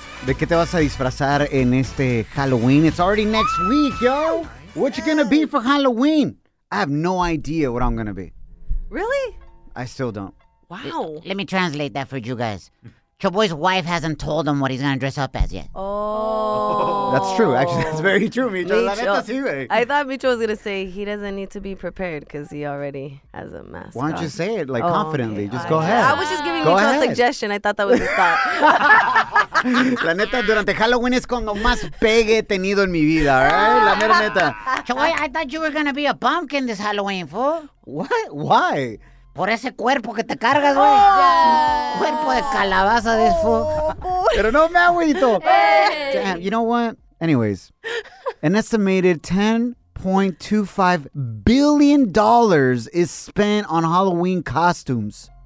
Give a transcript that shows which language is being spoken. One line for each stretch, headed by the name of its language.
Spanish: ¿De qué te vas a disfrazar en este Halloween?
English: It's already next week, yo. What you gonna be for Halloween? I have no idea what I'm gonna be. Really? I still don't. Wow. Let me translate that for you guys. Choboy's wife hasn't told him what he's gonna dress up as yet. Oh. That's true. Actually, that's very true, Micho. I thought Micho was gonna say he doesn't need to be prepared because he already has a mask. Why don't you say it like confidently? Okay. Just go ahead. I was just giving Micho a suggestion. I thought that was his thought.
Spanish: La neta, durante Halloween es cuando más pegue he tenido en mi vida,
English: all right?
Spanish: La mera neta.
English: Choboy, I thought you were gonna be a pumpkin this Halloween, fool. What? Why?
Spanish: Por ese cuerpo que te cargas, güey. Cuerpo de calabaza,
English: this fool.
Spanish: Pero no me agüito.
English: Hey. Damn, you know what? Anyways, an estimated $10.25 billion is spent on Halloween costumes.